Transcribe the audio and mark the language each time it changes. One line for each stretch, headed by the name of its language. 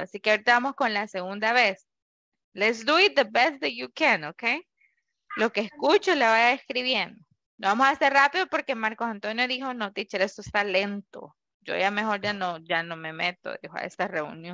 Spanish: Así que ahorita vamos con la segunda vez.
English: Let's do it the best that you can, okay?
Spanish: Lo que escucho le voy a escribiendo. Lo vamos a hacer rápido porque Marcos Antonio dijo, no, teacher, esto está lento. Yo ya mejor ya no me meto, dijo, a esta reunión.